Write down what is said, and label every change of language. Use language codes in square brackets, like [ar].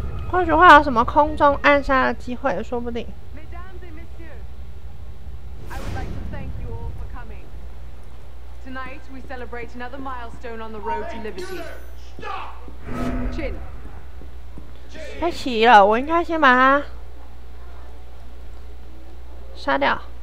[zh] 或许会有什么空中暗杀的机会，说不定。 [en] Mesdames et messieurs, I would like to thank you all for coming. Tonight we celebrate another milestone on the road to liberty. Chin. [zh] 太奇了，我应该先把他杀掉。